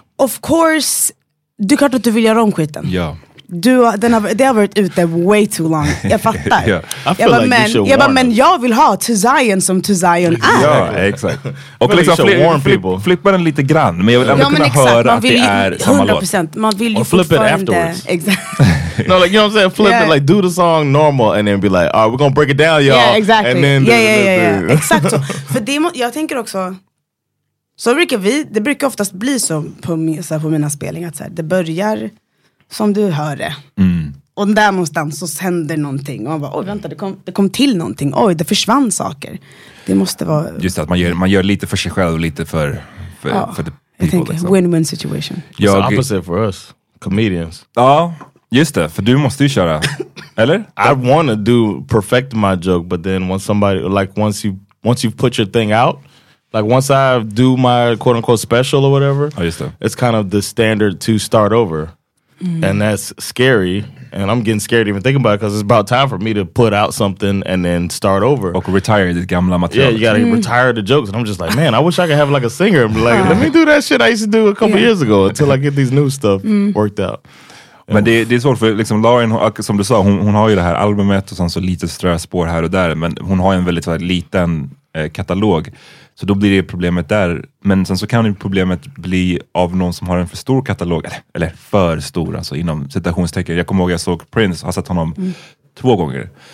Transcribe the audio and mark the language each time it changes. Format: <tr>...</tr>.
<en>Of course,</en> <sv>du kan att du vill göra om skiten. Ja. Det har varit ute</sv> <en>way too long.</en> <sv>Jag fattar.</sv> <en>Yeah.</en> <sv>Men jag vill ha To Zion som To Zion är. Ja, exakt. Och liksom flippa den lite grann. Men jag vill ändå kunna höra att det är samma låt. 100%. Man vill ju fortfarande...</sv> <en>Flip it afterwards.</en> <sv>Exakt.</sv> <en>No, like, you know what I'm saying? Flip it, like, do the song normal and then be like, all right, we're gonna break it down, y'all. Yeah, exactly. And then</en> <sv>exakt. För jag tänker också... Så det brukar oftast bli så på mina spelningar. Så här, det börjar som du hör det. Mm. Och där någonstans så händer någonting. Och man bara, oj vänta, det kom till någonting. Oj, det försvann saker. Det måste vara... Just det, att man gör lite för sig själv och lite för</sv> <en>the people.</en> <sv>Jag tänker, liksom.</sv> <en>Win-win situation. It's the opposite for us. Comedians.</en> <sv>Ja, just det. För du måste ju köra. Eller?</sv> <en>I want to do perfect my joke, but then once somebody, like once you put your thing out, like once I do my quote unquote special or whatever, oh, just it's kind of the standard to start over. Mm. And that's scary. And I'm getting scared even thinking about it because it's about time for me to put out something and then start over.</en> <sv>Och</sv> <en>retire the</en> <sv>gamla material.</sv> <en>Yeah, you gotta retire the jokes. And I'm just like, man, I wish I could have like a singer. And be like, let me do that shit I used to do a couple years ago until I get these new stuff worked out.</en> <sv>Men det är svårt för liksom Lauren, som du sa, hon har ju det här albumet och så lite ströspår här och där. Men hon har ju en väldigt liten katalog. Så då blir det problemet där. Men sen så kan ju problemet bli av någon som har en för stor katalog. Eller för stor, alltså inom citationstecken. Jag kommer ihåg att jag såg Prince, har sett honom två gånger.</sv>